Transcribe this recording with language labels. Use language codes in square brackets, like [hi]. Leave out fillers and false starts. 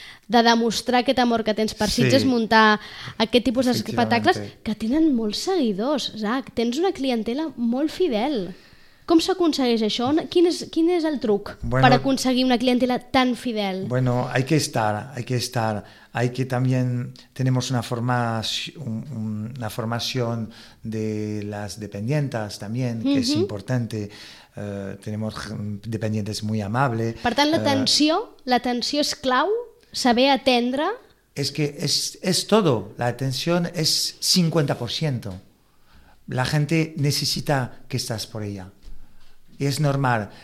[ca] de demostrar aquest amor que tens per Sitges, sí, muntar aquest tipus d'espectacles que tenen molts seguidors, Zac. Tens una clientela molt fidel. Com s'aconsegueix això? Quin és el truc, bueno, per aconseguir una clientela tan fidel? [es] Bueno, hay que estar. Hay que también tenemos una formación de las dependientes también, que es importante. Tenemos dependientes muy amables. [ca] Per tant, l'atenció és clau, saber atendre. [es] Es que es todo, la atención es 50%. La gente necesita que estás por ella. Y es normal.